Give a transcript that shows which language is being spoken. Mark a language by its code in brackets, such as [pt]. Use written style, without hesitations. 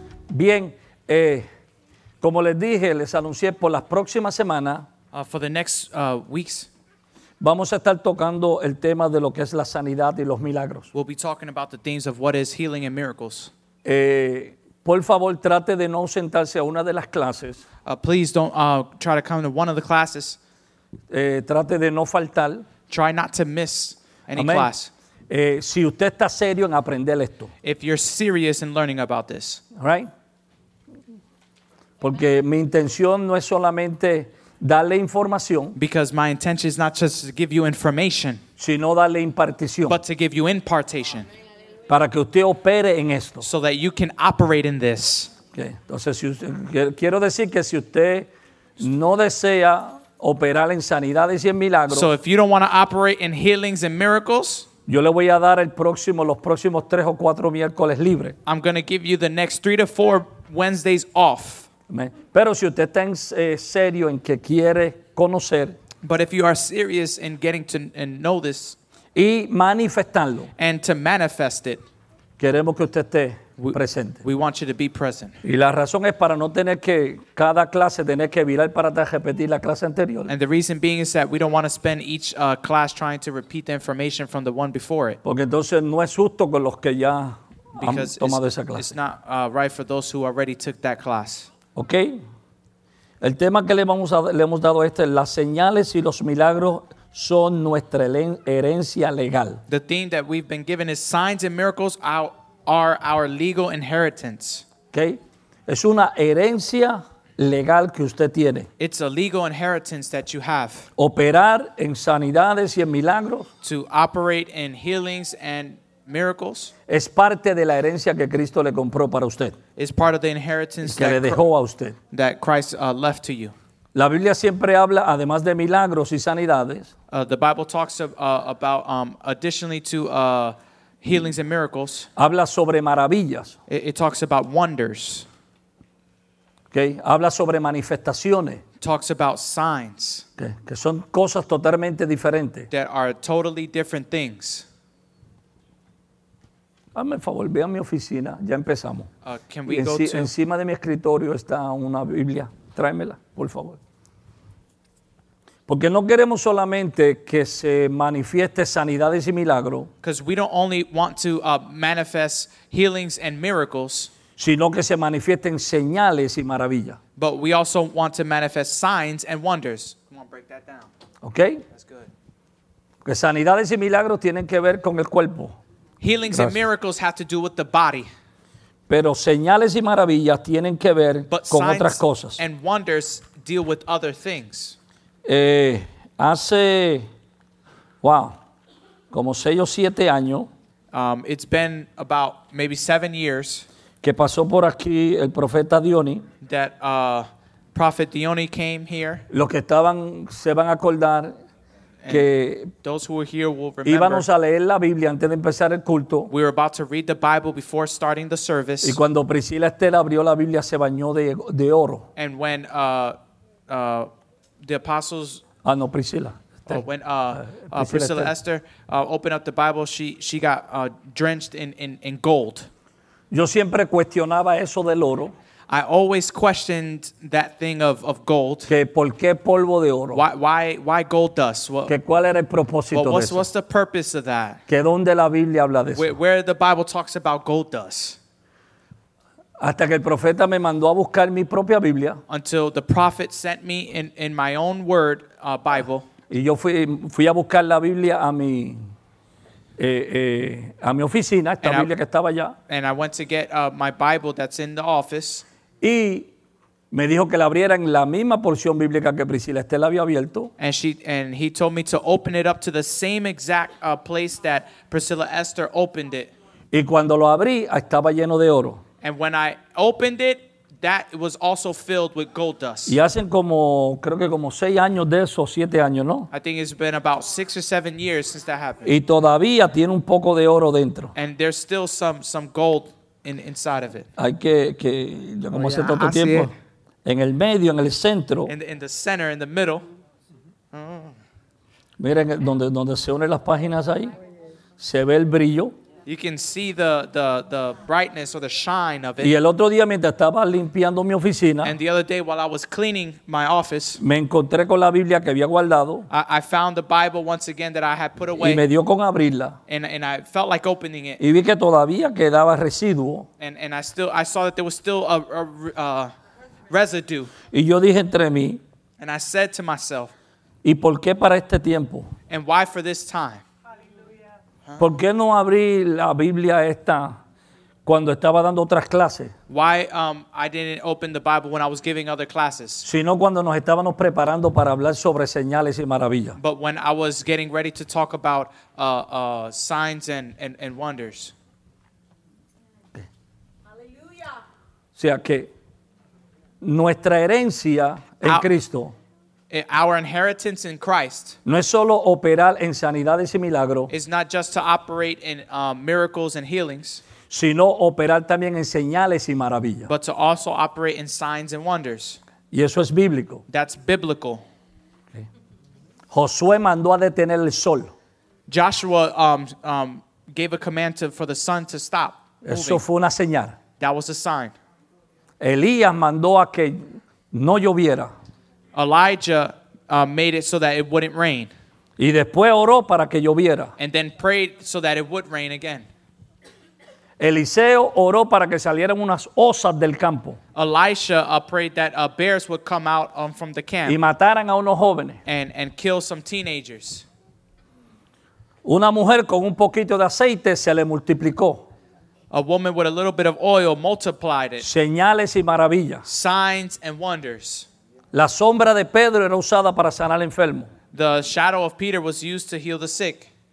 [es] Bien, como les dije, les anuncié por las próximas semanas. [en] For the next weeks. [es] Vamos a estar tocando el tema de lo que es la sanidad y los milagros. [en] We'll be talking about the themes of what is healing and miracles. [es] Por favor, trate de no sentarse a una de las clases. [en] Please don't try to come to one of the classes. [es] Trate de no faltar. [en] Try not to miss any Amen. Class. [es] Si usted está serio en aprender esto. [en] If you're serious in learning about this. Right? [es] Porque mi intención no es solamente darle información. [en] Because my intention is not just to give you information. [es] Sino darle impartición. [en] But to give you impartation. [es] Para que usted opere en esto. [en] So that you can operate in this. Okay. [es] Entonces, si usted, quiero decir que si usted no desea operar en sanidades y en milagros. [en] So if you don't want to operate in healings and miracles. [es] Yo le voy a dar el próximo, los próximos tres o cuatro miércoles libre. [en] I'm going to give you the next 3 to 4 Wednesdays off. Amen. [es] Pero si usted está en serio en que quiere conocer. [en] But if you are serious in getting to and know this. [es] Y manifestarlo. [en] And to manifest it. [es] Queremos que usted esté presente. [en] We want you to be present. [es] Y la razón es para no tener que cada clase tener que virar para atrás, repetir la clase anterior. [en] And the reason being is that we don't want to spend each class trying to repeat the information from the one before it. [es] Porque entonces no es justo con los que ya han tomado esa clase. [en] It's not right for those who already took that class. Okay. [es] El tema que le hemos dado este es las señales y los milagros son nuestra herencia legal. [en] The theme that we've been given is signs and miracles are our legal inheritance. [es] Okay. Es una herencia legal que usted tiene. [en] It's a legal inheritance that you have. [es] Operar en sanidades y en milagros. [en] To operate in healings and miracles. [es] Es parte de la herencia que Cristo le compró para usted. [en] It's part of the inheritance [es] que le dejó a usted. [en] That Christ left to you. [es] La Biblia siempre habla, además de milagros y sanidades. [en] The Bible talks about additionally to healings and miracles. [es] Habla sobre maravillas. [en] It talks about wonders. [es] Okay. Habla sobre manifestaciones. [en] Talks about signs. [es] Okay. Que son cosas totalmente diferentes. [en] That are totally different things. [es] Hazme el favor, ve a mi oficina. Ya empezamos. [en] Can we go to... [es] Encima de mi escritorio está una Biblia. Tráemela, por favor. Porque no queremos solamente que se manifieste sanidades y milagros. [en] Because we don't only want to manifest healings and miracles. [es] Sino que se manifiesten señales y maravillas. [en] But we also want to manifest signs and wonders. Come on, break that down. Okay. That's good. [es] Porque sanidades y milagros tienen que ver con el cuerpo. [en] Healings Gracias. And miracles have to do with the body. [es] Pero señales y maravillas tienen que ver [en] but [es] con otras cosas. [en] But signs and wonders deal with other things. [es] Hace, wow, como 6 o 7 años. [en] It's been about maybe 7 years. [es] Que pasó por aquí el profeta Diony. [en] That Prophet Diony came here. [es] Los que estaban se van a acordar que [en] those who were here will remember. [es] Íbamos a leer la Biblia antes de empezar el culto. [en] We were about to read the Bible before starting the service. [es] Y cuando Priscila Estela abrió la Biblia se bañó de oro. [en] And when the apostles. [es] Ah, no, Priscila. [en] When Priscila Esther opened up the Bible, she got drenched in gold. [es] Yo siempre cuestionaba eso del oro. [en] I always questioned that thing of gold. [es] Que por qué polvo de oro. [en] Why gold dust? [es] Well, que cuál era el propósito [en] well, [es] de eso. [en] What's the purpose of that? [es] Que dónde la Biblia habla de eso. [en] Where the Bible talks about gold dust. [es] Hasta que el profeta me mandó a buscar mi propia Biblia. [en] Until the prophet sent me in my own word, Bible. [es] Y yo fui a buscar la Biblia a mi oficina, esta and Biblia I, que estaba allá. [en] And I went to get my Bible that's in the office. [es] Y me dijo que la abriera en la misma porción bíblica que Priscila Estela había abierto. [en] And he told me to open it up to the same exact place that Priscilla Esther opened it. [es] Y cuando lo abrí, estaba lleno de oro. [en] And when I opened it, that was also filled with gold dust. [es] Y hacen como, creo que como 6 años de eso, 7 años, ¿no? [en] I think it's been about 6 or 7 years since that happened. [es] Y todavía tiene un poco de oro dentro. [en] And there's still some gold inside of it. [es] Hay que como oh, hace yeah, tanto I tiempo. En el medio, en el centro. [en] In the center, in the middle. Mm-hmm. [es] Miren, donde se unen las páginas ahí, se ve el brillo. [en] You can see the brightness or the shine of it. [es] Y el otro día mientras estaba limpiando mi oficina, [en] and the other day while I was cleaning my office, [es] me encontré con la Biblia que había guardado. [en] I found the Bible once again that I had put away. [es] Y me dio con abrirla. [en] And I felt like opening it. [es] Y vi que todavía quedaba residuo. [en] And I saw that there was still a residue. [es] Y yo dije entre mí, [en] and I said to myself, [es] ¿y por qué para este tiempo? [en] And why for this time? [es] ¿Por qué no abrí la Biblia esta cuando estaba dando otras clases? [en] Why I didn't open the Bible when I was giving other classes? [es] Sino cuando nos estábamos preparando para hablar sobre señales y maravillas. [en] But when I was getting ready to talk about signs and wonders. [es] Aleluya. O sea que nuestra herencia en Cristo, [en] our inheritance in Christ, [es] no es solo operar en sanidades y milagros, [en] is not just to operate in miracles and healings, [es] sino operar también en señales y maravillas, [en] but to also operate in signs and wonders. [es] Y eso es bíblico. [en] That's biblical. Okay. [es] Josué mandó a detener el sol. [en] Joshua gave a command for the sun to stop. [es] Eso fue una señal. [en] That was a sign. [es] Elías mandó a que no lloviera. [en] Elijah made it so that it wouldn't rain. [es] Y después oró para que lloviera. [en] And then prayed so that it would rain again. [es] Eliseo oró para que salieran unas osas del campo. [en] Elisha prayed that bears would come out from the camp. [es] Y mataran a unos jóvenes. [en] And kill some teenagers. [es] Una mujer con un poquito de aceite se le multiplicó. [en] A woman with a little bit of oil multiplied it. [es] Señales y maravillas. [en] Signs and wonders. [es] La sombra de Pedro era usada para sanar enfermos. [en] The shadow of Peter was used to heal the sick.